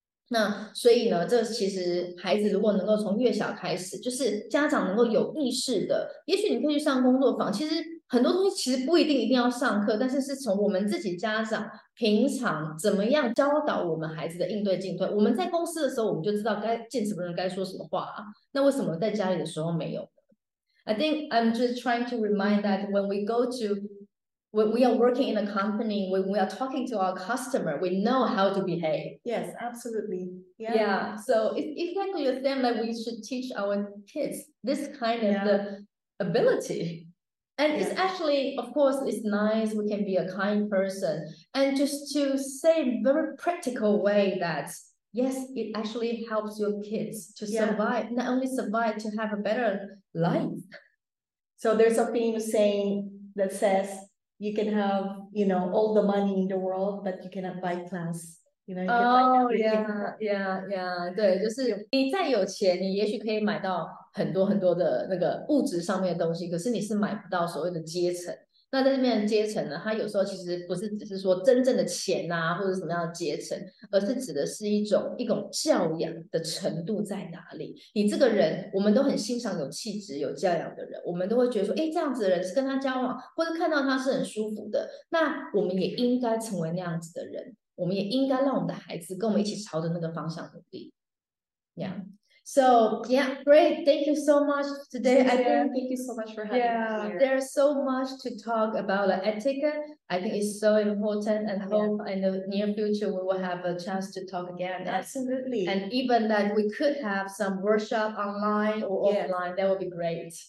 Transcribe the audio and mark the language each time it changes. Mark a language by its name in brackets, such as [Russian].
[Chinese] 那所以呢，这其实孩子如果能够从越小开始，就是家长能够有意识的，也许你可以去上工作坊，其实很多东西其实不一定一定要上课，但是是从我们自己家长平常怎么样教导我们孩子的应对进退。我们在公司的时候，我们就知道该见什么人该说什么话啊。那为什么在家里的时候没有呢？ [English] I think I'm just trying to remind that when we go to when we are working in a company, when we are talking to our customer, we know how to behave. Yes, absolutely. Yeah, so it's exactly the same that we should teach our kids this kind of the ability. And it's actually, of course, it's nice we can be a kind person. And just to say very practical way that yes, it actually helps your kids to survive, not only survive, to have a better life. So there's a famous saying that says you can have, all the money in the world, but you cannot buy class. You can buy 哦 everything. [Chinese] yeah, 对，就是你再有钱，你也许可以买到很多很多的那个物质上面的东西，可是你是买不到所谓的阶层。那在这边的阶层呢，它有时候其实不是只是说真正的钱啊，或者什么样的阶层，而是指的是一种教养的程度在哪里。你这个人，我们都很欣赏有气质、有教养的人，我们都会觉得说，哎，这样子的人是跟他交往，或者看到他是很舒服的，那我们也应该成为那样子的人。我们也应该让我们的孩子跟我们一起朝着那个方向努力。 [English] So yeah, great. Thank you so much today. I think Thank you so much for having me yeah, here. there's so much to talk about etiquette. I think it's so important, and hope in the near future we will have a chance to talk again. And Absolutely. even that we could have some workshop online or offline, that would be great.